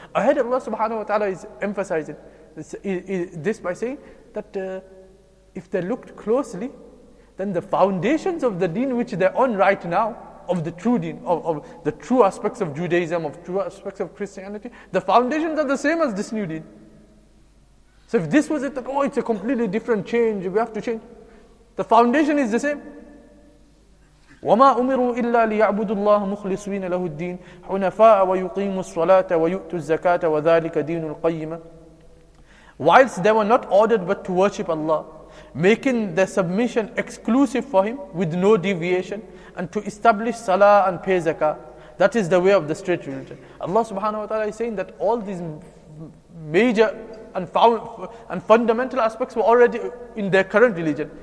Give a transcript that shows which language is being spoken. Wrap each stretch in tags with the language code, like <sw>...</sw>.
<en>Ahead, Allah subhanahu wa ta'ala is emphasizing this by saying that if they looked closely, then the foundations of the deen which they're on right now, of the true deen, of the true aspects of Judaism, of true aspects of Christianity, the foundations are the same as this new deen. So if this was it, that, oh, it's a completely different change, we have to change. The foundation is the same.</en> <ar>وما أمروا إلا ليعبدوا الله مخلصين له الدين حنفاء ويقيموا الصلاة ويؤتوا الزكاة وذلك دين القيمة.</ar> <en>Whilst they were not ordered but to worship Allah, making their submission exclusive for Him with no deviation, and to establish salah and pay zakah. That is the way of the straight religion. Allah subhanahu wa ta'ala is saying that all these major and fundamental aspects were already in their current religion.</en>